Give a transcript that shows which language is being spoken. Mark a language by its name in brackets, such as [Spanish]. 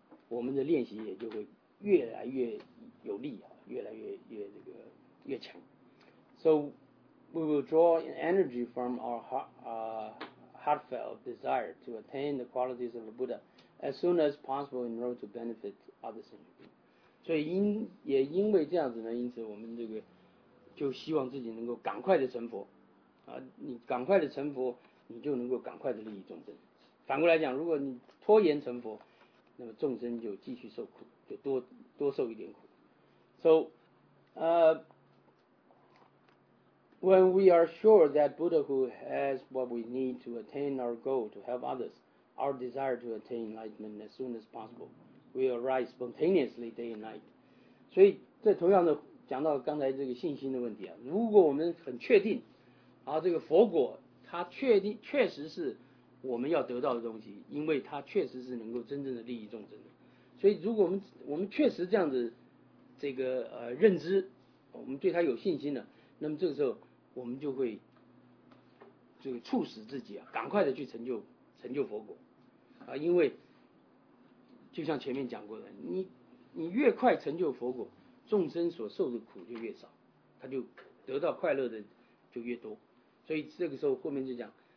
[Chinese] 我们的练习也就会越来越有力、啊、越来 越这个越强。 [English] So we will draw energy from our heartfelt desire to attain the qualities of the Buddha as soon as possible in order to benefit others. [Chinese] 所以因为这样子呢，因此我们这个就希望自己能够赶快的成佛啊，你赶快的成佛，你就能够赶快的利益众生。反过来讲，如果你拖延成佛，那么众生就继续受苦，就多受一点苦。 [English] So, when we are sure that Buddhahood has what we need to attain our goal to help others, our desire to attain enlightenment as soon as possible will arise spontaneously day and night. [Chinese] 所以这同样的讲到刚才这个信心的问题啊，如果我们很确定，啊，这个佛果它确实是。我们要得到的东西，因为它确实是能够真正的利益众生的，所以如果我们确实这样子，这个认知，我们对它有信心了，那么这个时候我们就会，这个促使自己啊，赶快的去成就佛果，啊，因为，就像前面讲过的，你越快成就佛果，众生所受的苦就越少，他就得到快乐的就越多，所以这个时候后面就讲。